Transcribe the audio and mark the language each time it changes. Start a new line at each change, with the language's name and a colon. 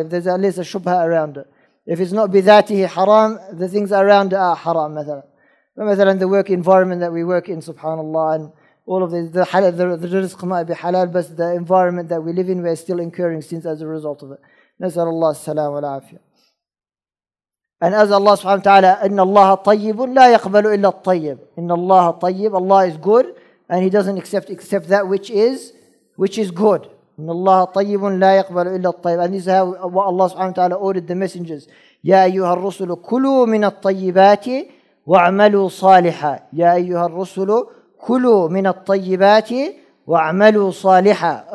English: If there's at least a shubha around it. If it's not bidhatihi haram, the things around it are haram, مثلا. But مثلا the work environment that we work in, subhanAllah, and all of this, the rizq might be halal, but the environment that we live in, we're still incurring sins as a result of it. Nasal Allah salam wa afiyah. And as Allah subhanahu wa ta'ala,
Arabic: إِنَّ اللَّهَ طَيِّبٌ لَا يَقْبَلُ إِلَّا الطَّيِّبُ. إِنَّ اللَّهَ طَيِّبٌ.
English: Allah is good, and He doesn't accept that which is good.
Arabic: إِنَّ اللَّهَ طَيِّبٌ لَا يَقْبَلُ إِلَّا الطَّيِّبُ.
English: And this is how what Allah subhanahu wa ta'ala ordered the messengers.
Arabic: يَا أَيُّهَا الرُّسُلُ كُلُوا مِنَ الطَّيِّبَاتِ وَعْمَلُوا صَالِحًا. يَا أَيُّهَا الرُّسُلُ كُلُوا مِنَ الطَّيِّبَاتِ وَعْمَلُوا صَالِحًا.